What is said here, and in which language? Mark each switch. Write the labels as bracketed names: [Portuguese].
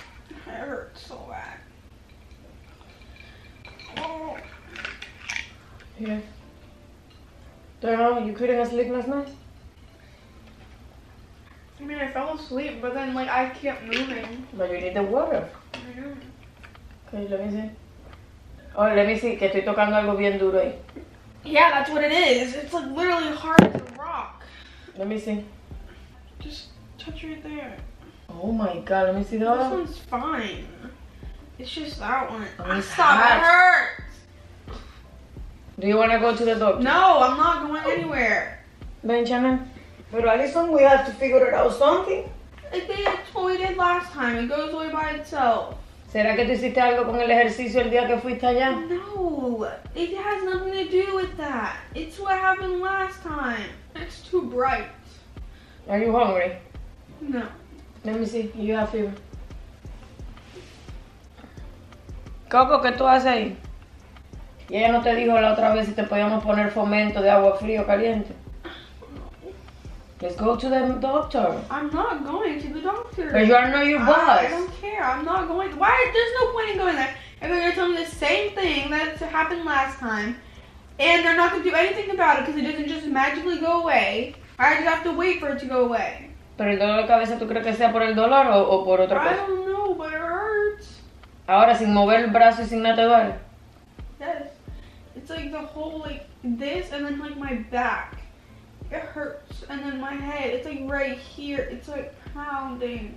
[English] It hurts so bad. Oh. Yeah. Don't know, you couldn't sleep last night? I mean, I fell asleep, but then, like, I kept moving. But you need the water. I know. Okay, let me see. Oh, let me see, [Spanish] que estoy tocando algo bien duro ahí. [English] Yeah, that's what it is. It's like literally hard as a rock. Let me see. Just touch right there. Oh my god, let me see the other one. This one's fine. It's just that one. Stop, it hurts. Do you want to go to the doctor? No, I'm not going anywhere. [Spanish] Ven, [English] Shannon. [Spanish] Pero [English] Allison, we have to figure it out something. I think I told you it last time. It goes away by itself. [Spanish] ¿Será que tú hiciste algo con el ejercicio el día que fuiste allá? [English] No, it has nothing to do with that. It's what happened last time. It's too bright. Are you hungry? No. Let me see, you have fever. [Spanish] Coco, ¿qué tú haces ahí? ¿Y ella no te dijo la otra vez si te podíamos poner fomento de agua fría o caliente? [English] Let's go to the doctor. I'm not going to the doctor. But you are not your boss. I don't care. I'm not going. Why? There's no point in going there. If they're going to tell me the same thing that happened last time, and they're not going to do anything about it because it doesn't just magically go away, I just have to wait for it to go away. [Spanish] ¿Pero el dolor de cabeza tú crees que sea por el dolor o por otra cosa? [English] I don't know, but it hurts. [Spanish] ¿Ahora sin mover el brazo y sin nada te duele? [English] Yes. It's like the whole, like, this and then, like, my back. It hurts, and then my head, it's like right here, it's like pounding.